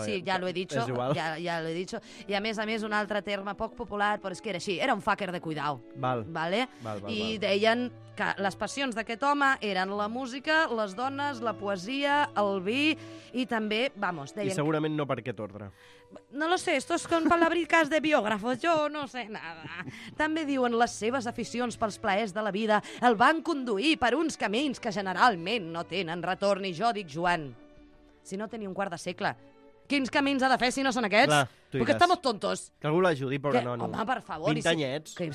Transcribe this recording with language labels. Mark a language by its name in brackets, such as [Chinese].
[Spanish] sí, ja lo he dicho. [Catalan] És igual. [Spanish] Ja lo he dicho. [Catalan] I a més, un altre terme poc popular, però és que era així, era un fucker [Spanish] de cuidao. [Catalan] Val. [Spanish] Vale? [Catalan] Val. Deien que les passions d'aquest home eren la música, les dones, la poesia, el vi i també, vamos, deien... I segurament no per aquest ordre. [Spanish] No lo sé, esto es con palabricas de biógrafos, yo no sé nada. [Catalan] També diuen les seves aficions pels plaers de la vida el van conduir per uns camins que generalment no tenen retorn. I jo dic, Joan, si no tenia un quart de segle, quins camins ha de fer si no són aquests? Clar, [Spanish] perquè estamos tontos. [Catalan] Que algú l'ajudi, però no. Home, per favor. 20 anyets.